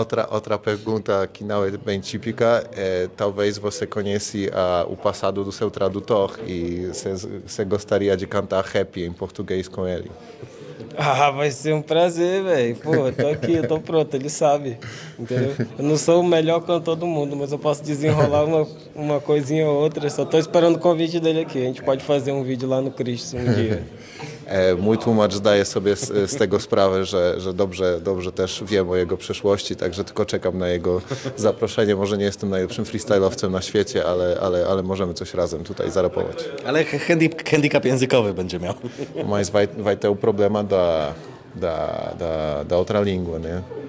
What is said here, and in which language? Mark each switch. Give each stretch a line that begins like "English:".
Portuguese: Outra pergunta que não é bem típica. Talvez você conheça o passado do seu tradutor e você gostaria de cantar happy em português com ele. Ah, vai ser um prazer, velho. Pô, eu tô aqui, eu tô pronto, ele sabe. Entendeu? Eu não sou o melhor cantor do mundo, mas eu posso desenrolar uma coisinha ou outra. Só tô esperando o convite dele aqui. A gente pode fazer um vídeo lá no Cristo um dia.
Polish: Mój tłumacz zdaje sobie z tego sprawę, że dobrze też wiem o jego przeszłości, także tylko czekam na jego zaproszenie. Może nie jestem najlepszym freestyle'owcem na świecie, ale możemy coś razem tutaj zarapować. Ale handicap językowy będzie miał.
Portuguese: Mas vai ter o problema da outra língua, né?